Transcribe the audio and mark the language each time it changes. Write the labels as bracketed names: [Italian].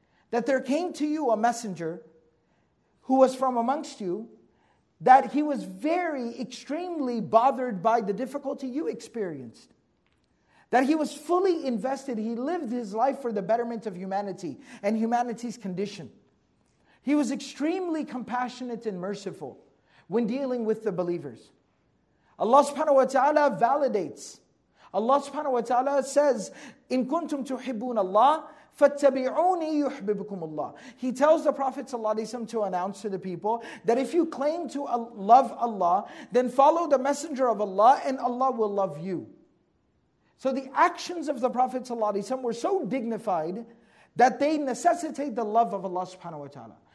[English] That there came to you a messenger who was from amongst you, that he was very extremely bothered by the difficulty you experienced. That he was fully invested, he lived his life for the betterment of humanity and humanity's condition. He was extremely compassionate and merciful when dealing with the believers. Allah subhanahu wa ta'ala validates. Allah subhanahu wa ta'ala says, [Arabic] إِن كُنْتُمْ تُحِبُّونَ اللَّهِ فَاتَّبِعُونِي يُحْبِبُكُمُ اللَّهِ. [English] He tells the Prophet ﷺ to announce to the people that if you claim to love Allah, then follow the Messenger of Allah and Allah will love you. So the actions of the Prophet ﷺ were so dignified that they necessitate the love of Allah subhanahu wa ta'ala.